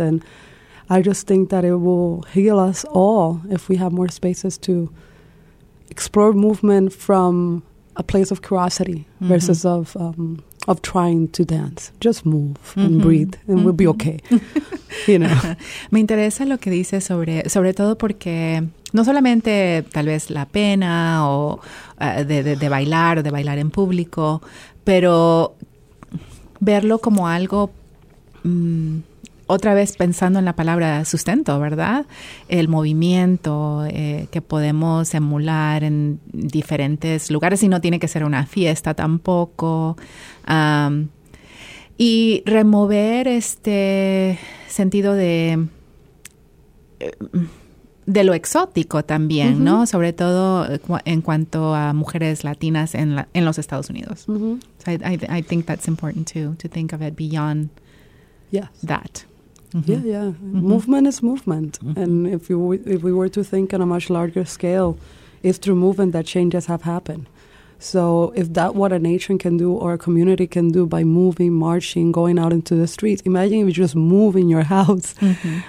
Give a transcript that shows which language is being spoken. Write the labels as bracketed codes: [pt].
[en] And I just think that it will heal us all if we have more spaces to explore movement from a place of curiosity mm-hmm. versus of trying to dance. Just move mm-hmm. and breathe and mm-hmm. we'll be okay. You know. [es] Me interesa lo que dices sobre todo porque no solamente tal vez la pena o de bailar o de bailar en público, pero verlo como algo otra vez pensando en la palabra sustento, ¿verdad? El movimiento que podemos emular en diferentes lugares y no tiene que ser una fiesta tampoco. Y remover este sentido de lo exótico también, uh-huh. ¿no? Sobre todo en cuanto a mujeres latinas en los Estados Unidos. Uh-huh. [en] So I think that's important too, to think of it beyond yes. that. Mm-hmm. Yeah, yeah. Mm-hmm. Movement is movement. Mm-hmm. And if we were to think on a much larger scale, it's through movement that changes have happened. So if that what a nation can do or a community can do by moving, marching, going out into the streets, imagine if you just move in your house mm-hmm.